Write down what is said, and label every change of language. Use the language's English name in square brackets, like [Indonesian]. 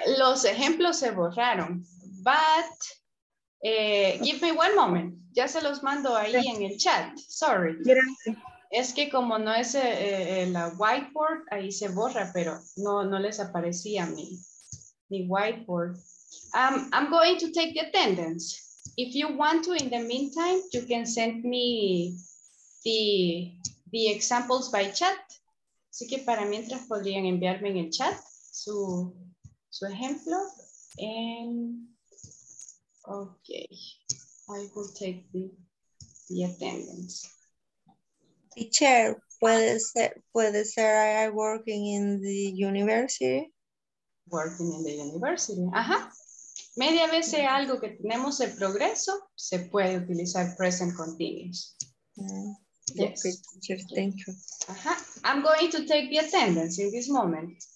[Spanish] Los ejemplos se borraron, [English] but give me one moment. [Spanish] Ya se los mando ahí en el chat. [English] Sorry. [Spanish] Gracias. Es que como no es la whiteboard, ahí se borra, pero no les aparecía a mí. Mi whiteboard. [English] I'm going to take the attendance. If you want to, in the meantime, you can send me the examples by chat. [Spanish] Así que para mientras podrían enviarme en el chat su ejemplo. [English] And, okay, I will take the attendance. Teacher, [Spanish] puede ser [English] I working in the university. Working in the university, ajá. [Spanish] Media vez sea algo que tenemos el progreso, se puede utilizar present continuous. [English] Yes. Okay, teacher, thank you. Ajá. I'm going to take the attendance in this moment.